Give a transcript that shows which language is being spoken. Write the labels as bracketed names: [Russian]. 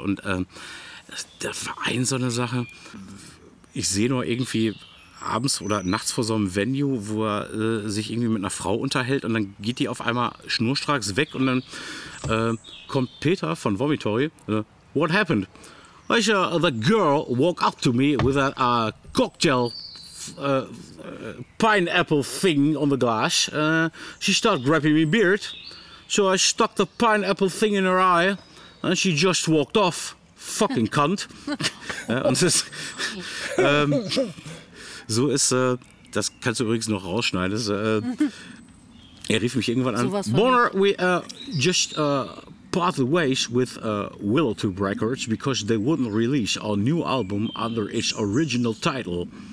[German] Und der Verein, so eine Sache, ich sehe nur irgendwie abends oder nachts vor so einem Venue, wo er sich irgendwie mit einer Frau unterhält und dann geht die auf einmal schnurstracks weg und dann kommt Peter von Vomitory. [English] What happened? The girl walked up to me with a cocktail pineapple thing on the glass. She started grabbing my beard. So I stuck the pineapple thing in her eye and she just walked off. Fucking cunt. [German] Und es ist... So ist, das kannst du übrigens noch rausschneiden, das, er rief mich irgendwann an. [English] Bonner, we just parted ways with Willowtube Records because they wouldn't release our new album under its original title.